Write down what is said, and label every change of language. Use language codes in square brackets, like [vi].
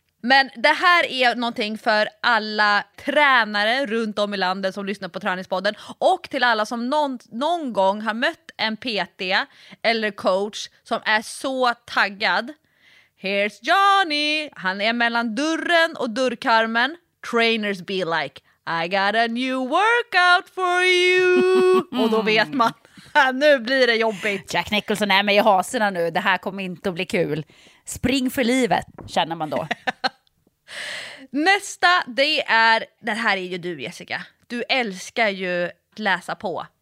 [sv] Men det här är någonting för alla tränare runt om i landet som lyssnar på Träningspodden, och till alla som någon gång har mött en PT eller coach som är så taggad. [en] Here's Johnny! [sv] Han är mellan dörren och dörrkarmen. [en] Trainers be like, I got a new workout for you! [sv] Och då vet man, nu blir det jobbigt. Jack Nicholson är med i haserna nu, det här kommer inte att bli kul. Spring för livet, känner man då. Nästa, det här är ju du, Jessica. Du älskar ju att läsa på.